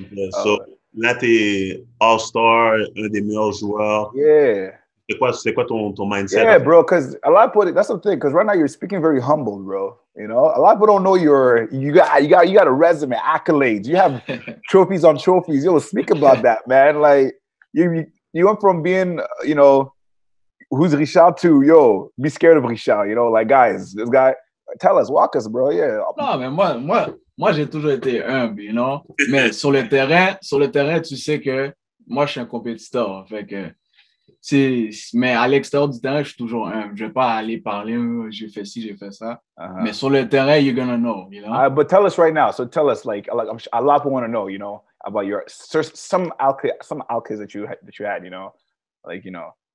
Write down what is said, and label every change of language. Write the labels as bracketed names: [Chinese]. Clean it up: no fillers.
[French] So, là, t'es All-Star, un des meilleurs joueurs. [English] Yeah. [French] C'est quoi ton mindset? [English] Yeah, bro, because a lot of people, that's the thing, because right now you're speaking very humble, bro. You know, a lot of people don't know you got a resume, accolades. You have trophies on trophies. You'll speak about that, man. Like, you went from being, you know, who's Richard to, yo, be scared of Richard, you know, like, guys, this guy, tell us, walk us, bro, yeah. No, man, [French] moi j'ai toujours été humble, you know, mais sur le terrain, tu sais que moi, je suis un compétiteur, fait que... Mais à l'extérieur du terrain, je suis toujours humble. Je ne vais pas aller parler, j'ai fait ci, j'ai fait ça. Mais sur le terrain, [English] you're going to know. You know? But tell us right now. So tell us, like a lot of people want to know, you know, about your, some alchemies that you had, you know, like, you know.